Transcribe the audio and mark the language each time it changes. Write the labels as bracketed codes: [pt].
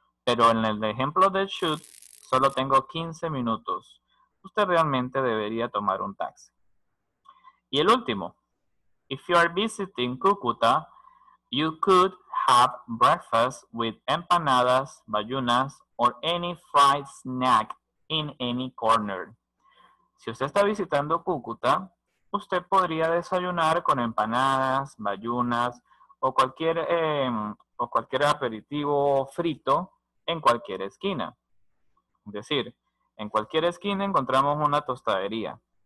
[es] Pero en el ejemplo del should, solo tengo 15 minutos. Usted realmente debería tomar un taxi. Y el último. [en] If you are visiting Cúcuta, you could have breakfast with empanadas, bayunas, or any fried snack in any corner. [es] Si usted está visitando Cúcuta, usted podría desayunar con empanadas, bayunas o cualquier aperitivo frito en cualquier esquina. Es decir, en cualquier esquina encontramos una tostadería.